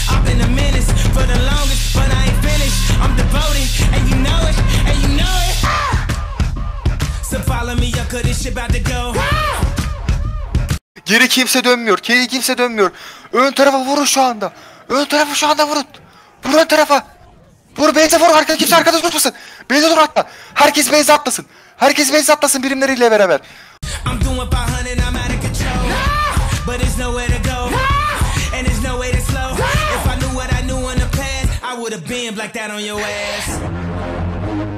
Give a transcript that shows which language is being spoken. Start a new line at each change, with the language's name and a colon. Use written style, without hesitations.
English: I've been a menace for the longest, but I ain't finished. I'm devoted, and you know it, and you know it. So follow me, yo, cause this shit about to go.
Turkish: Geri kimse dönmüyor, geri kimse dönmüyor. Ön tarafa vurun şu anda. Ön tarafa şu anda vurun. Vur ön tarafa. Vur, Beyze vur, arkada kimse arkada durmasın. Beyze dur hatta. Herkes Beyze atlasın. Herkes Beyze atlasın birimleriyle beraber.
English: I'm doing 500, I'm out of control. No! But there's nowhere to go. No! And there's no way to slow. No! If I knew what I knew in the past, I would have been like that on your ass.